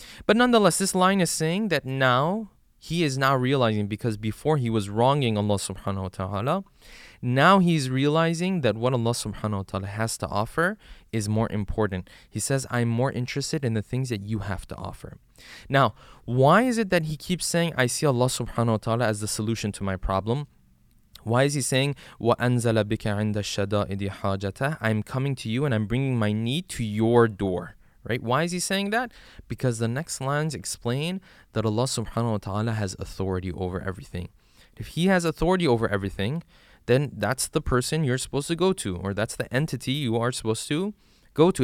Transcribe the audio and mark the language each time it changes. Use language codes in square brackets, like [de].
[en] But nonetheless, this line is saying that now he is now realizing, because before he was wronging Allah subhanahu wa ta'ala, now he's realizing that what Allah subhanahu wa ta'ala has to offer is more important. He says, I'm more interested in the things that you have to offer. Now, why is it that he keeps saying, I see Allah subhanahu wa ta'ala as the solution to my problem? Why is he saying, [ar] وَأَنزَلَ بِكَ عِنْدَ الشَّدَائِدِ حَاجَتَهُ. [en] I'm coming to you and I'm bringing my need to your door. Right? Why is he saying that? Because the next lines explain that Allah subhanahu wa ta'ala has authority over everything. If he has authority over everything, then that's the person you're supposed to go to, or that's the entity you are supposed to go to.